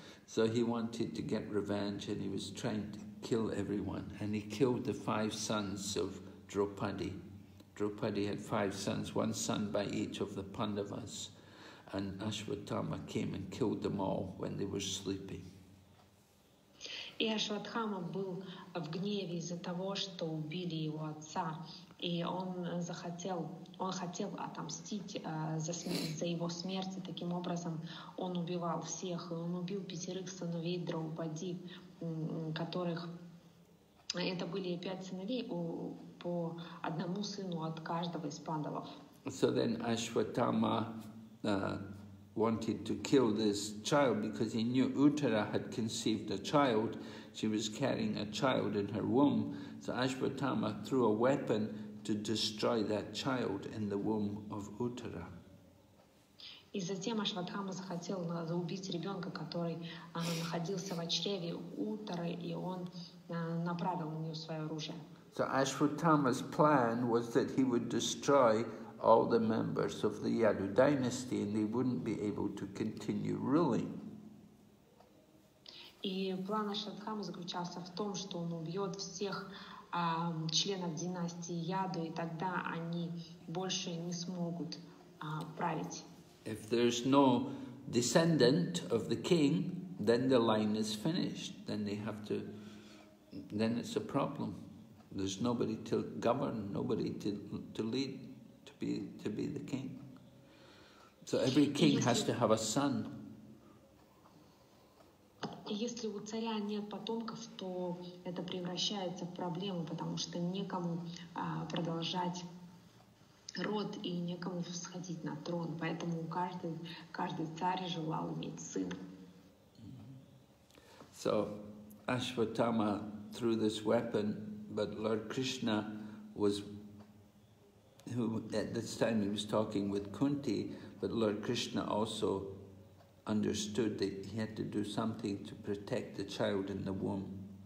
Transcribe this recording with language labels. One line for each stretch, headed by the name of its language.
English: So he wanted to get revenge, and he was trying to kill everyone. And he killed the five sons of Draupadi. Draupadi had five sons, one son by each of the Pandavas. And Ashwatthama came and killed them all when they were sleeping.
Russian: И Ашватхама был в гневе из-за того, что убили его отца. И он хотел отомстить за его смерть, и таким образом он убивал всех. Он убил пятерых сыновей Драупади, которых это были пять сыновей, по одному сыну от каждого из пандавов.
English: So then Ashwatthama wanted to kill this child because he knew Uttara had conceived a child. She was carrying a child in her womb. So Ashwatthama threw a weapon to destroy that child in the womb of Uttara.
Russian: И затем Ашватхама захотел убить ребенка, который находился в чреве Уттары, и он направил на нее свое оружие.
English: So Ashwatthama's plan was that he would destroy all the members of the Yadu dynasty, and they wouldn't be able to continue ruling.
Russian: И план Ашватхамы заключался в том, что он убьет всех членов династии Яду, и тогда они больше не смогут править.
English: If there's no descendant of the king, then the line is finished. Then it's a problem. There's nobody to govern, nobody to lead, to be the king. So every king has to have a son.
Russian: Если у царя нет потомков, то это превращается в проблему, потому что некому продолжать род и некому восходить на трон. Поэтому каждый царь желал иметь сына.
English: So Ashwatthama threw this weapon, but Lord Krishna was, who at this time he was talking with Kunti, but Lord Krishna also understood that he had to do something to protect the child in the womb.